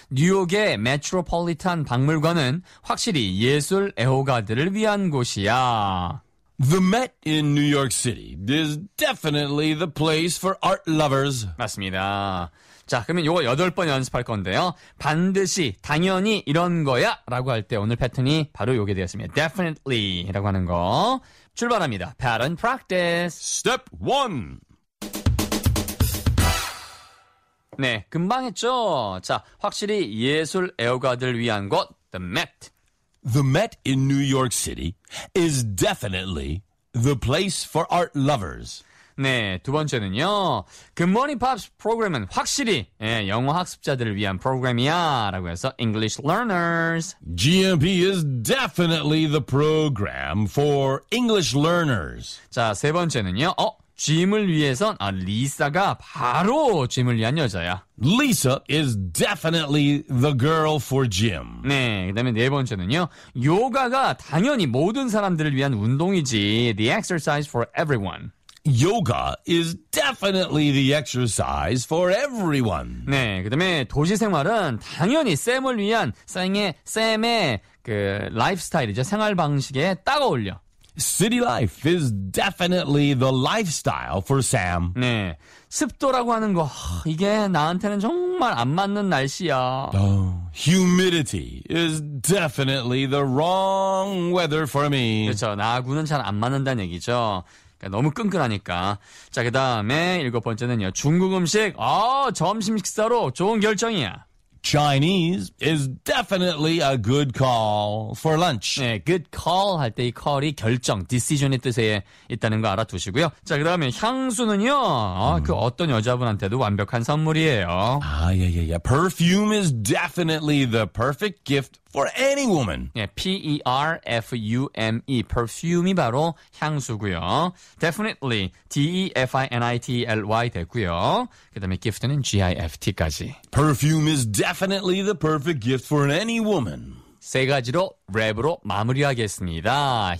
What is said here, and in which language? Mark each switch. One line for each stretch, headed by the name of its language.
Korean: 뉴욕의 메트로폴리탄 박물관은 확실히 예술 애호가들을 위한 곳이야.
English: The Met in New York City is definitely the place for art lovers.
Korean: 맞습니다. 자, 그러면 요거 여덟 번 연습할 건데요. 반드시, 당연히 이런 거야 라고 할 때 오늘 패턴이 바로 요게 되었습니다. Definitely 라고 하는 거 출발합니다.
English: Pattern practice. Step 1.
Korean: 네, 금방 했죠? 자, 확실히 예술 애호가들 위한 곳, The Met.
English: The Met in New York City is definitely the place for art lovers.
Korean: 네, 두 번째는요. Good Morning Pops 프로그램은 확실히 예, 영어 학습자들을 위한 프로그램이야 라고 해서 English learners.
English: GMP is definitely the program for English learners.
Korean: 자, 세 번째는요. 어? 짐을 위해선 아, 리사가 바로 짐을 위한 여자야.
English: Lisa is definitely the girl for Jim.
Korean: 네, 그 다음에 네 번째는요. 요가가 당연히 모든 사람들을 위한 운동이지.
English: The exercise for everyone. Yoga is definitely the exercise for everyone.
Korean: 네, 그 다음에 도시생활은 당연히 샘을 위한 샘의 그 라이프스타일이죠. 생활 방식에 딱 어울려.
English: City life is definitely the lifestyle for Sam.
Korean: 네, 습도라고 하는 거 이게 나한테는 정말 안 맞는 날씨야.
English: Humidity is definitely the wrong weather for me.
Korean: 그렇죠, 나하고는 잘 안 맞는다는 얘기죠. 그러니까 너무 끈끈하니까. 자, 그 다음에 일곱 번째는요. 중국 음식, 아, 점심 식사로 좋은 결정이야.
English: Chinese is definitely a good call for lunch.
Korean: 네, good call 할 때 이 call이 결정, decision의 뜻에 있다는 거 알아두시고요. 자, 그 다음에 향수는요. 그 어떤 여자분한테도 완벽한 선물이에요. 아, 예, 예, 예.
English: Perfume is definitely the perfect gift for any woman.
Korean: 네,
English: P-E-R-F-U-M-E.
Korean: Perfume이 바로 향수고요.
English: Definitely, D-E-F-I-N-I-T-L-Y
Korean: 됐고요. 그 다음에 gift는 G-I-F-T까지.
English: Perfume is definitely the perfect gift for any woman.
Korean: 세 가지로 랩으로 마무리하겠습니다.